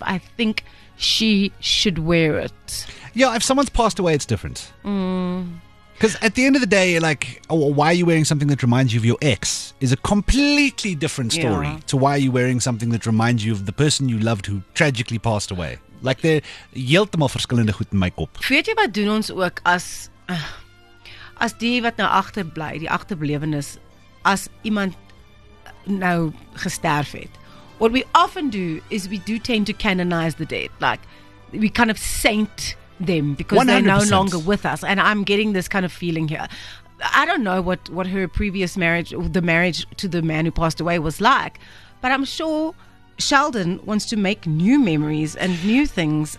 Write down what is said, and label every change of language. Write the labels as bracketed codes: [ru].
[en] I think she should wear it. Yeah, if someone's passed away, it's different. Because at the end of the day, like, why are you wearing something that reminds you of your ex is a completely different story to why are you wearing something that reminds you of the person you loved who tragically passed away. Like, they're [af] heeltemal verskillende goed in my kop. Weet jy wat doen ons ook as die wat nou agterbly, die agterblewendes, as iemand nou gesterf het? [en] What we often do is we do tend to canonize the dead. Like, we kind of saint them because 100%. They're no longer with us. And I'm getting this kind of feeling here. I don't know what her previous marriage, the marriage to the man who passed away, was like, but I'm sure Sheldon wants to make new memories and new things.